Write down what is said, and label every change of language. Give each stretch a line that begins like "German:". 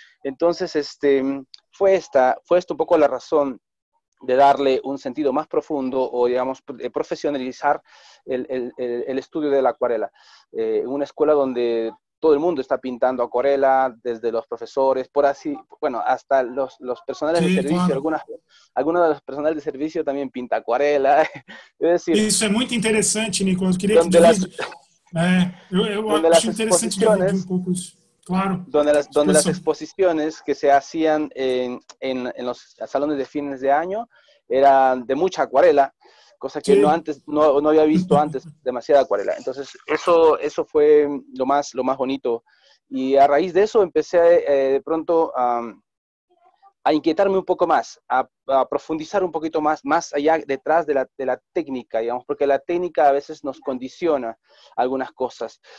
Spanish: Entonces, fue esto un poco la razón de darle un sentido más profundo o, digamos, de profesionalizar el estudio de la acuarela. Una escuela donde todo el mundo está pintando acuarela, desde los profesores, por así, bueno, hasta los personales de servicio, algunos de los personales de servicio también pinta acuarela. Es decir,
Portuguese: Isso é muito interessante, Nicolas. Queria que dividisse. Eu acho interessante dividir um pouco isso.
Spanish: Claro, Donde las
Portuguese: expressão.
Spanish: exposiciones que se hacían en los salones de fines de año eran de mucha acuarela, cosa que no había visto antes demasiada acuarela. Entonces, eso fue lo más bonito. Y a raíz de eso empecé de pronto a inquietarme un poco más, a profundizar un poquito más allá detrás de la técnica, digamos, porque la técnica a veces nos condiciona algunas cosas.